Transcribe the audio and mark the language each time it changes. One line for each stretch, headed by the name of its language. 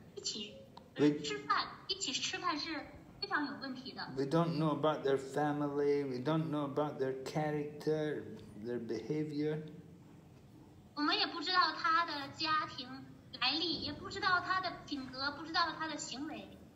Chinese: 一起吃饭是非常有问题的。
English: We don't know about their family, we don't know about their character, their behavior.
Chinese: 我们也不知道他的家庭来历，也不知道他的品格，不知道他的行为。